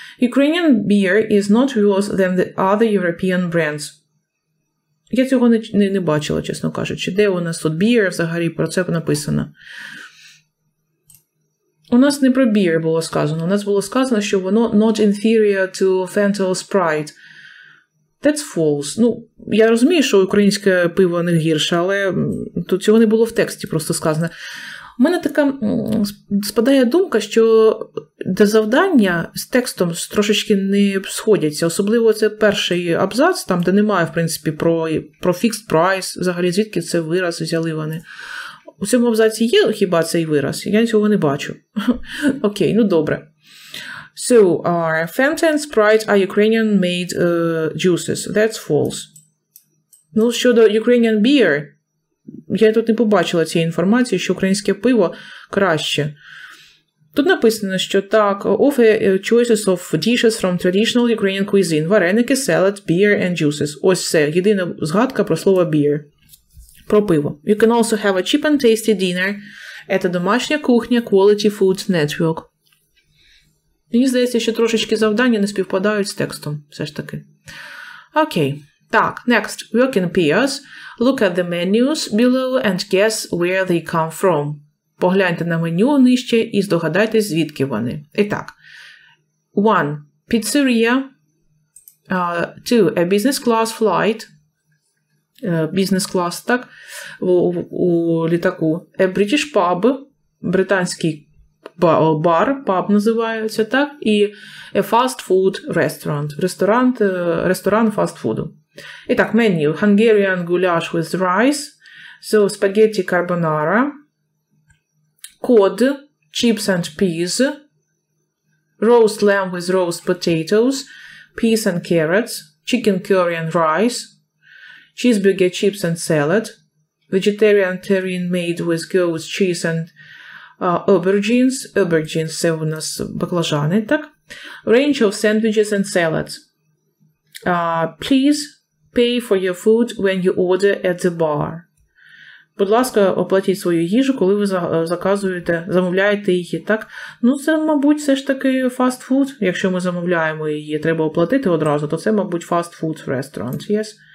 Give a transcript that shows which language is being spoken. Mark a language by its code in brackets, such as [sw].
[en] Ukrainian beer is not worse than the other European brands. [uk] Я цього не бачила, чесно кажучи. Де у нас тут beer взагалі? Про це написано. У нас не про beer було сказано. У нас було сказано, що воно not inferior to Fanta or Sprite. That's false. Ну, я розумію, що українське пиво не гірше, але тут цього не було в тексті просто сказано. У мене така спадає думка, що де завдання з текстом трошечки не сходяться. Особливо це перший абзац, там, де немає, в принципі, про fixed price, взагалі, звідки це вираз взяли вони. У цьому абзаці є хіба цей вираз? Я цього не бачу. Окей, ну добре. [en] So, Fanta and Sprite are Ukrainian-made juices. That's false. [uk] Ну, щодо Ukrainian beer, я тут не побачила цієї інформації, що українське пиво краще. [en] Тут написано, що так, offer choices of dishes from traditional Ukrainian cuisine. Вареники, salad, beer and juices. [uk] Ось все, єдина згадка про слово beer. Про пиво. [en] You can also have a cheap and tasty dinner. [uk] Это домашня кухня Quality Food Network. Мені здається, що трошечки завдання не співпадають з текстом, все ж таки. [en] Окей, так, next. Work in pairs. Look at the menus below and guess where they come from. [uk] Погляньте на меню нижче і здогадайтесь, звідки вони. І так. 1. Pizzeria. 2. [en] A business class flight. Business class, так, у літаку. A British pub. [uk] Британський бар, паб називається, так? І a fast food restaurant. Ресторан фастфуду. Итак, меню. [en] Hungarian goulash with rice. So, spaghetti carbonara. Cod. Chips and peas. Roast lamb with roast potatoes. Peas and carrots. Chicken curry and rice. Cheeseburger, chips and salad. Vegetarian terrine made with goat cheese and aubergines. [uk] Aubergines, це у нас баклажани, так? Range of sandwiches and salads. [en] Please pay for your food when you order at the bar. [uk] Будь ласка, оплатіть свою їжу, коли ви заказуєте, замовляєте її, так? Ну, це, мабуть, все ж таки фастфуд. Якщо ми замовляємо її, треба оплатити одразу, то це, мабуть, фастфуд ресторант, yes?